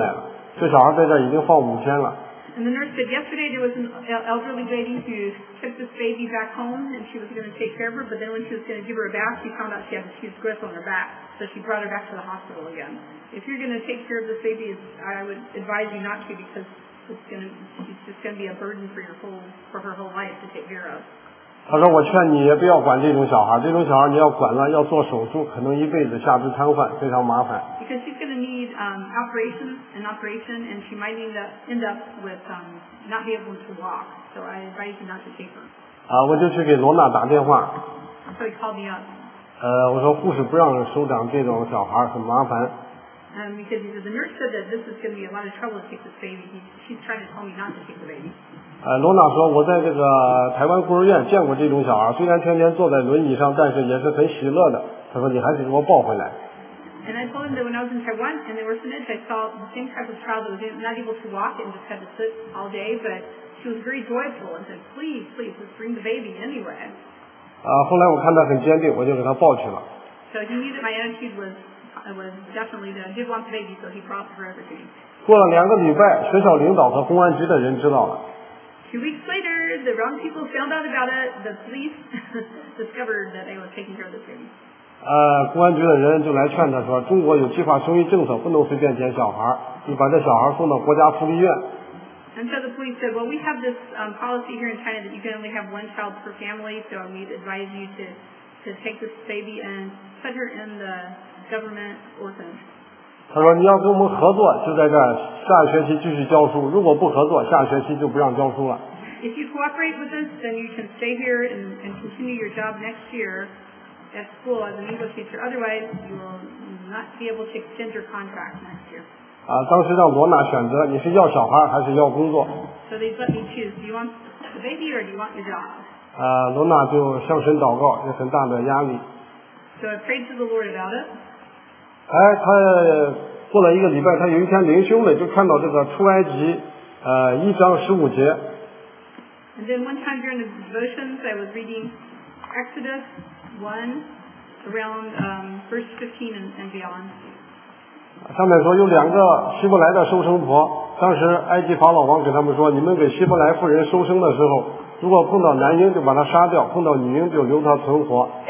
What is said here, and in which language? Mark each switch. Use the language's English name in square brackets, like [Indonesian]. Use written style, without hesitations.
[Chinese] 他说这种小孩，他说昨天有个老太太抱回家了，晚上洗澡的时候发现有个疙瘩，第二天又送回来了，这小孩在这已经放5天了。 [English] And the nurse said yesterday there was an elderly lady who took this baby back home and she was going to take care of her, but then when she was going to give her a bath, she found out she had a huge growth on her back, so she brought her back to the hospital again. If you're going to take care of this baby, I would advise you not to, because it's just going to be a burden for your whole, for her whole life to take care of. [Chinese] 他说我劝你也不要管这种小孩，这种小孩你要管了，要做手术，可能一辈子下肢瘫痪，非常麻烦。 [English] Because she's going to need operation, and she might end up with not be able to walk, so I advise you not to take her. [Chinese] 我就去给罗娜打电话。 [English] So he called me up. [Chinese] 我说护士不让收养这种小孩，很麻烦。 [English] Because the nurse said that this is going to be a lot of trouble to take this baby. She's trying to tell me not to take the baby. [Chinese] 罗娜说我在这个台湾孤儿院见过这种小孩，虽然天天坐在轮椅上，但是也是很喜乐的。他说你还是给我抱回来。 [English] And I told him that when I was in Taiwan in the orphanage, I saw the same type of child that was not able to walk and just had to sit all day, but she was very joyful and said, please, please, just bring the baby anyway. [Chinese] 后来我看他很坚定，我就给他抱去了。 [English] So he knew that my attitude was definitely that I did want the baby, so he brought her everything. [Chinese] 过了两个礼拜，学校领导和公安局的人知道了。 [English] 2 weeks later, the wrong people found out about it. The police discovered that they were taking care of the baby. [Chinese] 公安局的人就来劝他说，中国有计划生育政策，不能随便捡小孩，你把这小孩送到国家福利院。 [English] And so the police said, well, we have this policy here in China that you can only have one child per family, so we'd advise you to take this baby and put her in the government orphanage. [Chinese] 他说你要跟我们合作就在这儿下学期继续教书，如果不合作下学期就不让教书了。 [English] If you cooperate with us, then you can stay here and continue your job next year at school as an English teacher. Otherwise, you will not be able to extend your contract next year. [Chinese] 当时让罗娜选择，你是要小孩还是要工作。 [English] So they let me choose. Do you want the baby or do you want your job? [Chinese] 罗娜就向神祷告，有很大的压力。 [English] So I prayed to the Lord about it. [Chinese] 他过了一个礼拜，他有一天灵修了，就看到这个出埃及一章十五节。 [English] And then one time during the devotions, I was reading Exodus 1 around verse 15 and beyond. [Chinese] 上面说有两个希伯来的收生婆，当时埃及法老王给他们说，你们给希伯来妇人收生的时候，如果碰到男婴就把他杀掉，碰到女婴就留他存活。